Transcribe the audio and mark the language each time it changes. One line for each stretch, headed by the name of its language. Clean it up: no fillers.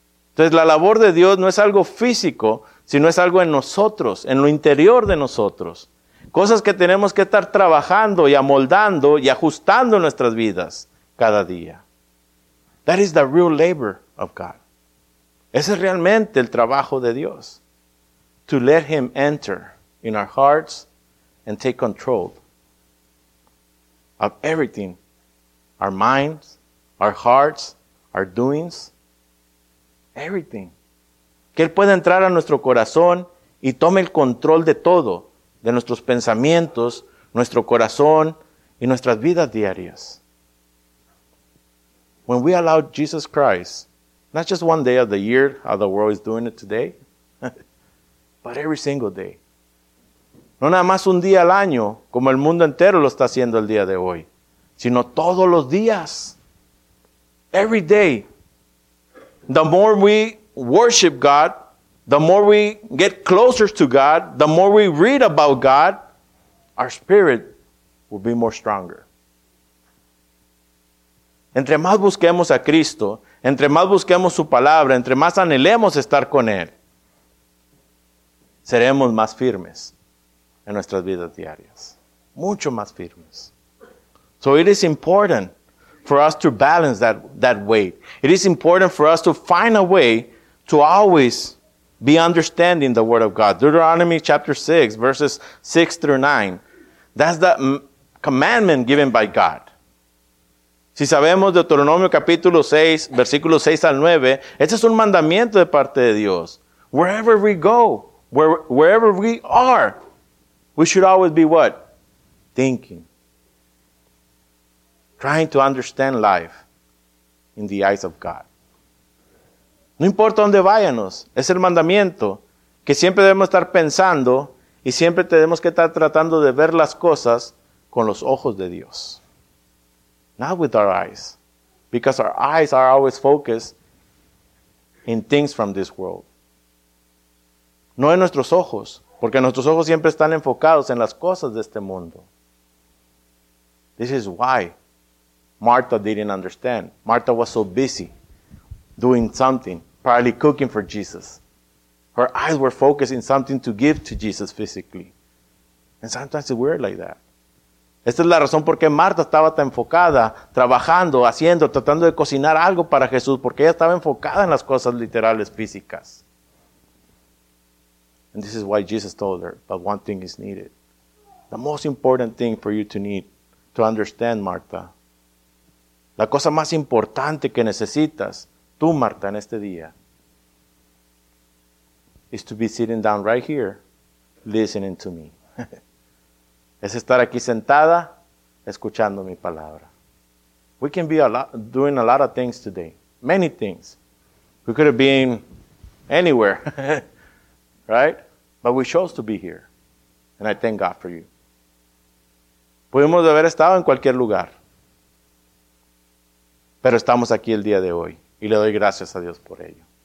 Spanish: Entonces, la labor de Dios no es algo físico, sino es algo en nosotros, en lo interior de nosotros. Cosas que tenemos que estar trabajando y amoldando y ajustando nuestras vidas cada día.
English: That is the real labor of God.
Spanish: Ese es realmente el trabajo de Dios.
English: To let Him enter in our hearts and take control of everything. Our minds, our hearts, our doings. Everything.
Spanish: Que Él pueda entrar a nuestro corazón y tome el control de todo. De nuestros pensamientos, nuestro corazón y nuestras vidas diarias.
English: When we allow Jesus Christ, not just one day of the year, how the world is doing it today, but every single day.
Spanish: No nada más un día al año, como el mundo entero lo está haciendo el día de hoy, sino todos los días.
English: Every day. The more we worship God, the more we get closer to God, the more we read about God, our spirit will be more stronger.
Spanish: Entre más busquemos a Cristo, entre más busquemos su palabra, entre más anhelemos estar con Él, seremos más firmes en nuestras vidas diarias. Mucho más firmes.
English: So it is important for us to balance that weight. It is important for us to find a way to always be understanding the Word of God. Deuteronomy chapter 6, verses 6 through 9. That's the commandment given by God.
Spanish: Si sabemos Deuteronomio capítulo 6, versículos 6 al 9, este es un mandamiento de parte de Dios.
English: Wherever we go, wherever we are, we should always be what? Thinking. Trying to understand life in the eyes of God.
Spanish: No importa dónde váyanos, es el mandamiento que siempre debemos estar pensando y siempre tenemos que estar tratando de ver las cosas con los ojos de Dios.
English: Not with our eyes, because our eyes are always focused in things from this world.
Spanish: No en nuestros ojos, porque nuestros ojos siempre están enfocados en las cosas de este mundo.
English: This is why Martha didn't understand. Martha was so busy doing something, probably cooking for Jesus. Her eyes were focused in something to give to Jesus physically. And sometimes we're like that.
Spanish: Esta es la razón por qué Marta estaba tan enfocada, trabajando, haciendo, tratando de cocinar algo para Jesús, porque ella estaba enfocada en las cosas literales, físicas.
English: And this is why Jesus told her, but one thing is needed. The most important thing for you to need to understand, Marta.
Spanish: La cosa más importante que necesitas tú, Marta, en este día,
English: is to be sitting down right here, listening to me.
Spanish: Es estar aquí sentada, escuchando mi palabra.
English: We can be doing a lot of things today, many things. We could have been anywhere, right? But we chose to be here, and I thank God for you.
Spanish: Pudimos haber estado en cualquier lugar, pero estamos aquí el día de hoy. Y le doy gracias a Dios por ello.